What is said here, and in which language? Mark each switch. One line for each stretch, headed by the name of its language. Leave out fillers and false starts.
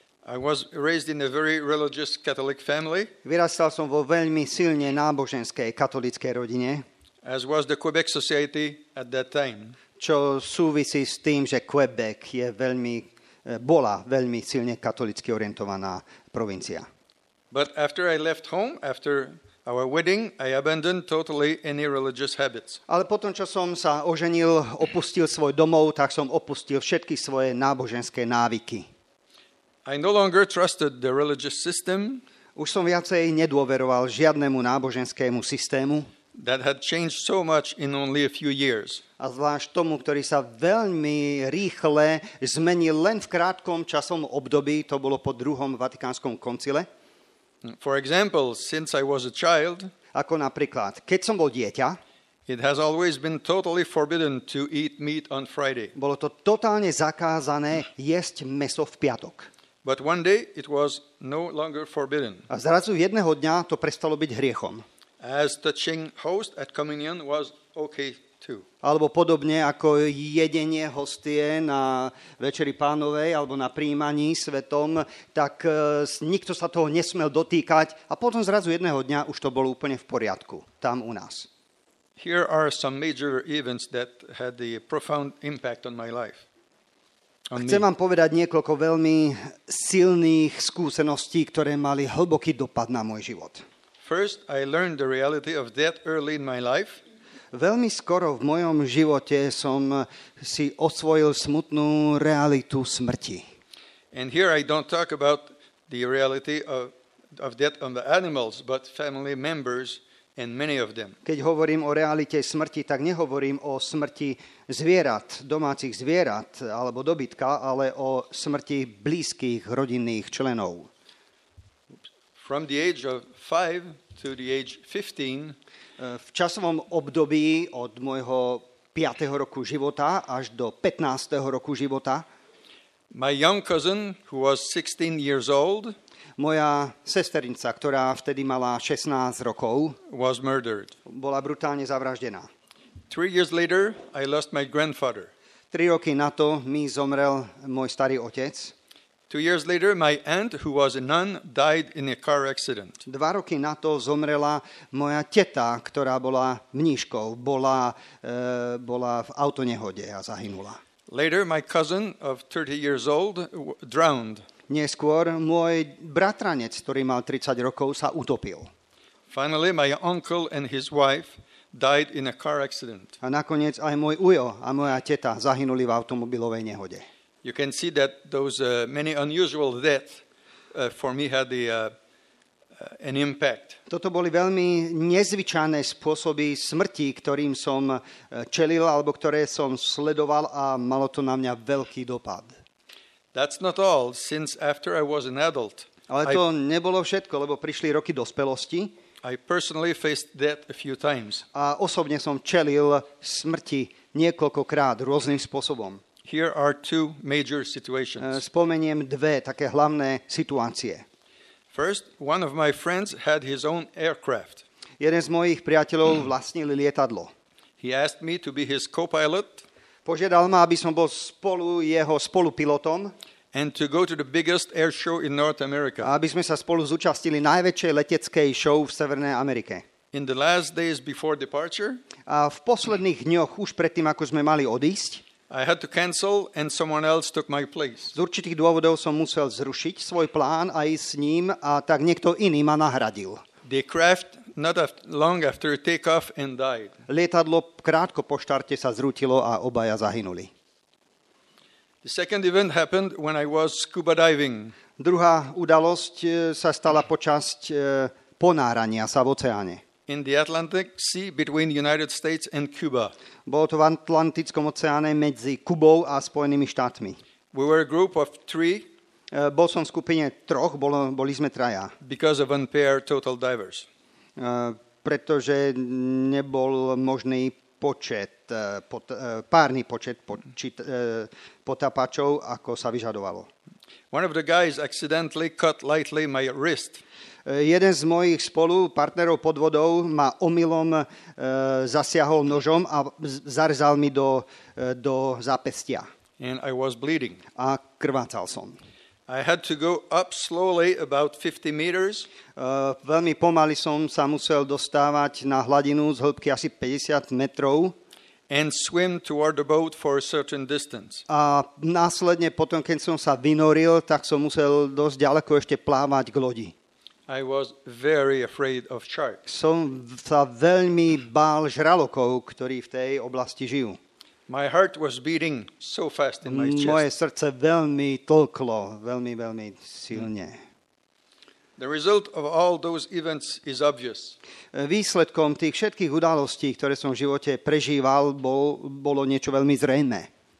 English: I was raised in a very religious Catholic family.
Slovak: Vyrastal som vo veľmi silne náboženskej katolíckej rodine.
English: As was the Quebec society at that time.
Slovak: Čo súvisí s tým, že Quebec je bola veľmi silne katolicky orientovaná provincia.
English: But after I left home, after our wedding, I abandoned totally any religious habits.
Slovak: Ale potom, čo som sa oženil, opustil svoj domov, tak som opustil všetky svoje náboženské návyky.
English: I no longer trusted the religious system.
Slovak: Už som viacej nedôveroval žiadnemu náboženskému systému.
English: That had changed so much in only a few years.
Slovak: A zvlášť tomu, ktorý sa veľmi rýchle zmenil len v krátkom časom období, to bolo po druhom Vatikánskom koncile.
English: For example, since I was a child,
Slovak: ako napríklad, keď som bol dieťa,
English: it has always been totally forbidden to eat meat on Friday.
Slovak: Bolo to totálne zakázané jesť meso v piatok.
English: But one day it was no longer forbidden.
Slovak: A zrazu jedného dňa to prestalo byť hriechom.
English: As touching host at communion was okay too.
Slovak: Alebo podobne ako jedenie hostie na Večeri Pánovej alebo na prijímaní svetom, tak nikto sa toho nesmel dotýkať a potom zrazu jedného dňa už to bolo úplne v poriadku tam u nás.
English: Here are some major events that had a profound impact on my life.
Slovak: Chcem vám povedať niekoľko veľmi silných skúseností, ktoré mali hlboký dopad na môj život.
English: First, I learned the reality of death early in my life.
Slovak: Veľmi skoro v mojom živote som si osvojil smutnú realitu smrti.
English: And here I don't talk about the reality of death on the animals, but family members and many of them.
Slovak: Keď hovorím o realite smrti, tak nehovorím o smrti zvierat, domácich zvierat alebo dobytka, ale o smrti blízkych rodinných členov.
English: From the age of 5 to the age 15,
Slovak: v časovom období od môjho 5. roku života až do 15. roku života,
English: my young cousin who was 16 years old,
Slovak: moja sesternica, ktorá vtedy mala 16 rokov,
English: was murdered.
Slovak: Bola brutálne zavraždená.
English: 3 years later I lost my grandfather.
Slovak: 3 roky na to mi zomrel môj starý otec.
English: 2 years later my aunt who was a nun died in a car accident.
Slovak: 2 roky na to zomrela moja teta, ktorá bola mníškou, bola v autonehode a zahynula.
English: Later my cousin of 30 years old drowned.
Slovak: Neskôr môj bratranec, ktorý mal 30 rokov, sa utopil.
English: Finally my uncle and his wife died in a car accident.
Slovak: A nakoniec aj môj ujo a moja teta zahynuli v automobilovej nehode.
English: You can see that those many unusual deaths for me had an impact.
Slovak: Toto boli veľmi nezvyčajné spôsoby smrti, ktorým som čelil alebo ktoré som sledoval, a malo to na mňa veľký dopad.
English: That's not all, since after I was an adult.
Slovak: Ale to nebolo všetko, lebo prišli roky dospelosti.
English: I personally faced death a few times.
Slovak: A osobne som čelil smrti niekoľkokrát rôznym spôsobom.
English: Here are two major situations.
Slovak: Spomeniem dve také hlavné situácie.
English: First, one of my friends had his own aircraft.
Slovak: Jeden z mojich priateľov vlastnil lietadlo.
English: He asked me to be his co-pilot.
Slovak: Požiadal ma, aby som bol spolu jeho spolupilotom.
English: And to go to the biggest air show in North America.
Slovak: Aby sme sa spolu zúčastnili najväčšej leteckej show v Severnej Amerike.
English: In the last days before departure.
Slovak: A v posledných dňoch, už predtým, ako sme mali odísť,
English: I had to cancel and someone else took my place.
Slovak: Z určitých dôvodov som musel zrušiť svoj plán a ísť s ním, a tak niekto iný ma nahradil.
English: The craft not long after takeoff and died.
Slovak: Lietadlo krátko po štarte sa zrútilo a obaja zahynuli.
English: The second event happened when I was scuba diving.
Slovak: Druhá udalosť sa stala počas ponárania sa v oceáne.
English: In the Atlantic Sea between United States and Cuba.
Slovak: Bolo to v Atlantickom oceáne medzi Kubou a Spojenými štátmi.
English: We were a group of 3.
Slovak: Bol som v skupine troch, boli sme traja.
English: Because of unpaired total divers.
Slovak: Pretože nebol možný počet, párny počet potapačov, ako sa vyžadovalo.
English: One of the guys accidentally cut lightly my wrist.
Slovak: Jeden z mojich spolupartnerov pod vodou ma omylom zasiahol nožom a zarezal mi do zápestia.
English: And I was bleeding.
Slovak: A krvácal som.
English: I had to go up slowly about 50 meters.
Slovak: Veľmi pomaly som sa musel dostávať na hladinu z hĺbky asi 50 metrov.
English: And swim toward the boat for a certain distance.
Slovak: A následne potom, keď som sa vynoril, tak som musel dosť ďaleko ešte plávať k lodi.
English: I was very afraid of sharks.
Slovak: Som sa veľmi bál žralokov, ktorí v tej oblasti žijú.
English: My heart was beating so fast in my chest.
Slovak: Moje srdce veľmi tlklo, veľmi, veľmi silne.
English: The result of all those events is obvious.
Slovak: Výsledkom tých všetkých udalostí, ktoré som v živote prežíval, bolo niečo veľmi zrejmé.